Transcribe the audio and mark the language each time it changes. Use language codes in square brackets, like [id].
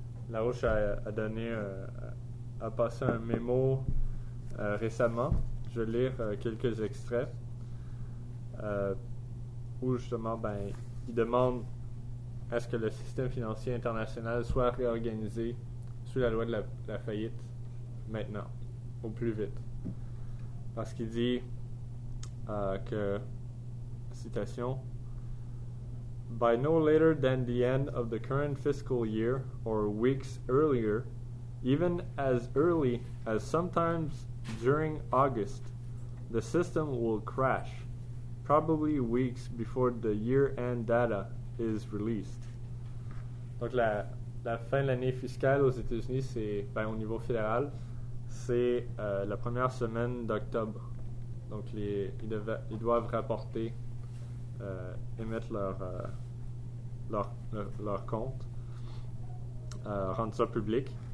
[fr] Larouche a donné, a passé un mémo récemment. Je vais lire quelques extraits où justement, ben, il demande à ce que le système financier international soit réorganisé sous la loi de la faillite maintenant, au plus vite. Parce qu'il dit que, citation, [en] by no later than the end of the current fiscal year or weeks earlier, even as early as sometimes during August, the system will crash, probably weeks before the year-end data is released. [fr] Donc la fin de l'année fiscale aux États-Unis, c'est, ben, au niveau fédéral, c'est la première semaine d'octobre. Donc ils doivent rapporter, émettre leur compte, rendre ça public.